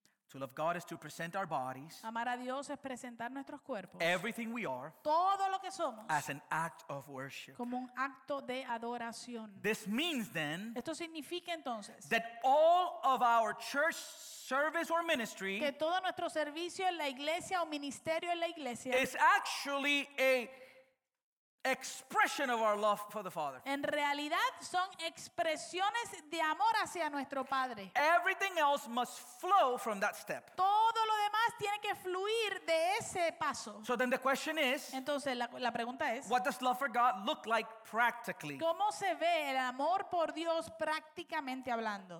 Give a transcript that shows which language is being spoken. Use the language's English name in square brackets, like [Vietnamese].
[English] To love God is to present our bodies. [Spanish] Amar a Dios es presentar nuestros cuerpos. [English] Everything we are. [Spanish] Todo lo que somos. [English] As an act of worship. [Spanish] Como un acto de adoración. [English] This means then. [Spanish] Esto significa entonces. [English] That all of our church service or ministry. [Spanish] Que todo nuestro servicio en la iglesia o ministerio en la iglesia. [English] Is actually a expression of our love for the Father. [Spanish] En realidad son expresiones de amor hacia nuestro Padre. [English] Everything else must flow from that step. [Spanish] Todo lo demás tiene que fluir de ese paso. [English] So then the question is, [Spanish] entonces la pregunta es, [English] what does love for God look like practically? [Spanish] ¿Cómo se ve el amor por Dios prácticamente hablando?